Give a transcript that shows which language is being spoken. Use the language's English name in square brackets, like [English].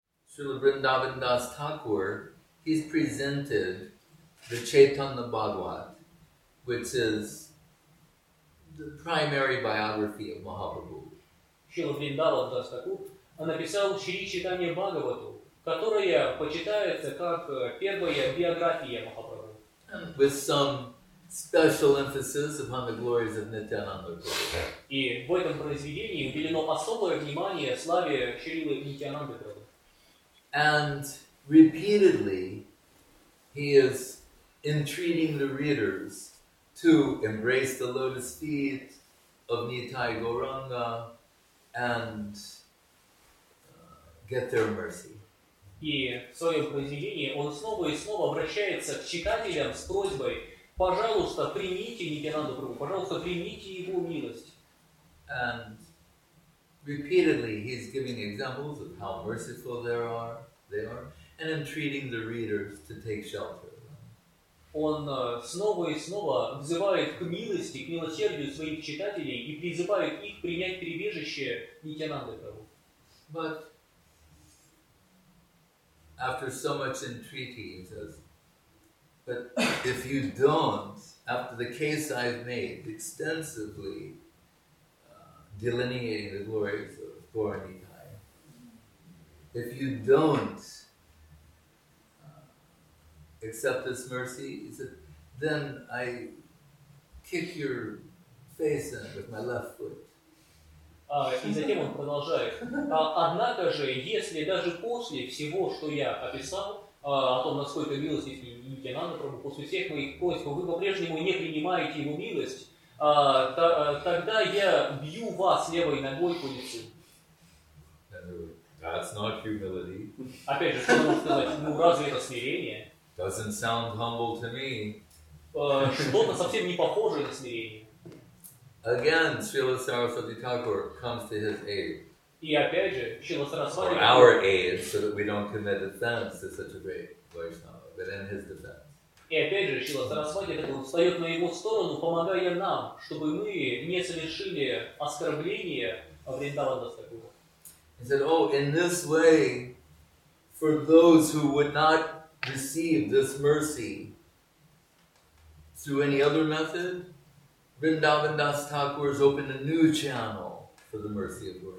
[English] Srila Vrindavandas Thakur, he's presented the Chaitanya Bhagavat, which is the primary biography of Mahaprabhu. [Russian] Srila Vrindavandas Thakur написал Шри Чайтанья Бхагавату, которая почитается как первая биография Махапрабху. [English] With some special emphasis upon the glories of Nityananda Prabhu. [Russian] И в этом произведении уделено особое внимание славе Шрилы Нитьянанды Прабху. [English] And repeatedly he is entreating the readers to embrace the lotus feet of Nitai Gauranga and get their mercy. [Russian] И в своем произведении он снова и снова обращается к читателям с просьбой: пожалуйста, примите Нитьянанду Прабху, пожалуйста, примите его милость. [English] And repeatedly he's giving examples of how merciful they are, and entreating the readers to take shelter. [Russian] Он снова и снова взывает к милости, к милосердию своих читателей и призывает их принять прибежище Нитьянанды Прабху. [English] But after so much entreaty, he says, but if you don't, after the case I've made extensively delineating the glories of Gaura Nitai, if you don't accept this mercy, he said, then I kick your face in with my left foot. [Russian] И затем он продолжает. Однако же, если даже после всего, что я описал, о том, насколько милостив Нитьянанда Прабху, после всех моих просьб, вы по-прежнему не принимаете его милость, тогда я бью вас левой ногой по лицу. [English] That's not humility. [Russian] Опять же, что можно сказать? Ну, разве это смирение? [English] Doesn't sound humble to me. [Russian] Что-то совсем не похожее на смирение. [English] Again, Srila Saraswati Thakur comes to his aid. [Russian] И опять же, Srila Saraswati Thakur. [English] Our aid, so that we don't commit offense to such a great Vaishnava, but in his defense. [Russian] И опять же, Srila Saraswati Thakur встает на его сторону, помогая нам, чтобы мы не совершили оскорбление Вриндаванда Стакура. [English] He said, oh, in this way, for those who would not receive this mercy through any other method, Vrindavan Das Thakur has opened a new channel for the mercy of